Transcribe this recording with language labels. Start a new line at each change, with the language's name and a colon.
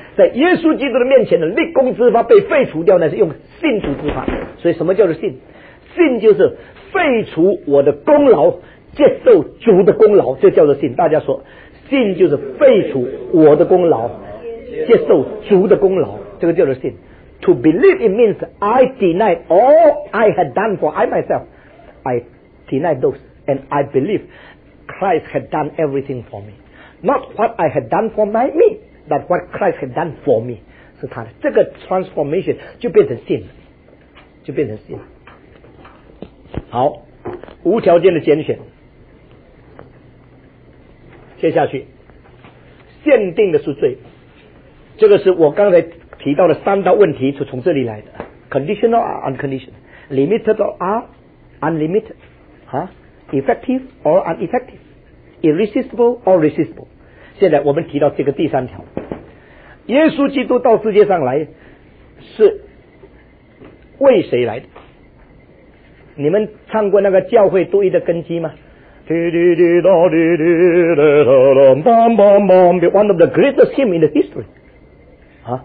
Chinese: 在耶稣基督的面前的立功之法被废除掉，那是用信主之法。所以什么叫做信？信就是废除我的功劳，接受主的功劳，这叫做信。大家说，信就是废除我的功劳，接受主的功劳，这个叫做信。
English: To believe it means I deny all I had done for I myself. I deny those and I believe Christ had done everything for me. Not what I had done for my me, but what Christ had done for me.
Chinese: 是他的这个 transformation 就变成信了，就变成信了。好，无条件的拣选。接下去，限定的是罪，这个是我刚才提到的三道问题，是从这里来的。
English: Conditional or unconditional? Limited or unlimited? Effective or ineffective? Irresistible or resistible?
Chinese: 现在我们提到这个第三条。耶稣基督到世界上来是为谁来的？你们唱过那个教会独一的根基吗？
English: One of the greatest hymns in the history。